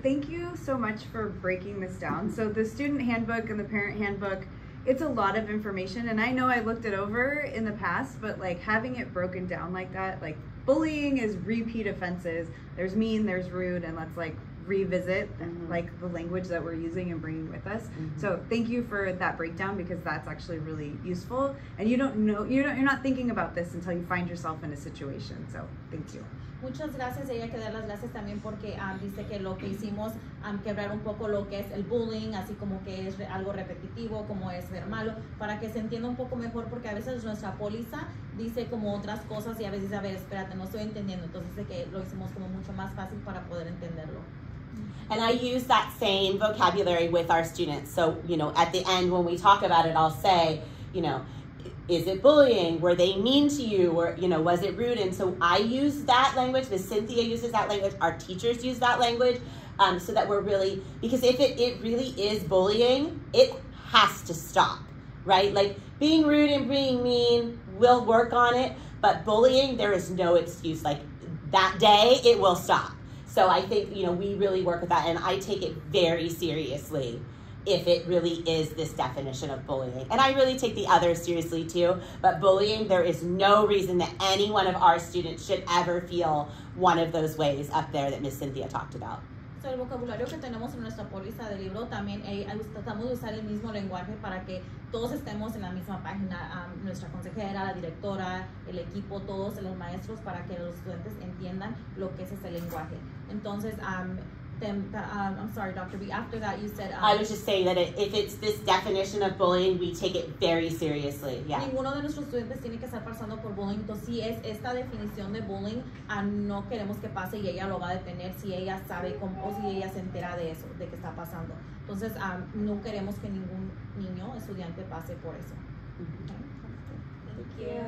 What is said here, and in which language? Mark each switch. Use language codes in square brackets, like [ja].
[en] Thank you so much for breaking this down. So the student handbook and the parent handbook, it's a lot of information, and I know I looked it over in the past, but like having it broken down like that, like bullying is repeat offenses. There's mean, there's rude, and let's like revisit like the language that we're using and bringing with us. Mm-hmm. So thank you for that breakdown, because that's actually really useful. And you don't know, you're not thinking about this until you find yourself in a situation. So thank you. [es] Muchas gracias, ella quiere dar las gracias también porque dice que lo que hicimos, quebrar un poco lo que es el bullying, así como que es algo repetitivo, como es ver malo, para que se entienda un poco mejor, porque a veces nuestra póliza dice como otras cosas y a veces dice, a ver, espérate, no estoy entendiendo, entonces dice que lo hicimos como mucho más fácil para poder entenderlo. [en] And I use that same vocabulary with our students, so, you know, at the end when we talk about it, I'll say, you know, is it bullying? Were they mean to you? Or, you know, was it rude? And so I use that language. Miss Cynthia uses that language. Our teachers use that language. So that we're really, because if it really is bullying, it has to stop, right? Like, being rude and being mean, we'll work on it. But bullying, there is no excuse. Like, that day, it will stop. So I think, you know, we really work with that, and I take it very seriously if it really is this definition of bullying. And I really take the others seriously too, but bullying, there is no reason that any one of our students should ever feel one of those ways up there that Miss Cynthia talked about. [es] So el vocabulario que tenemos en nuestra póliza de libro también, tratamos de usar el mismo lenguaje para que todos estemos en la misma página, nuestra consejera, la directora, el equipo, todos los maestros, para que los estudiantes entiendan lo que es ese lenguaje. [en] Entonces, I'm sorry, Dr. B, after that you said... I was just saying that if it's this definition of bullying, we take it very seriously, yeah. [es] Ninguno de nuestros estudiantes tiene que estar pasando por bullying, entonces si es esta definición de bullying, no queremos que pase y ella lo va a detener si ella sabe cómo, o si ella se entera de eso, de que está pasando. Entonces, no queremos que ningún niño estudiante pase por eso. Okay.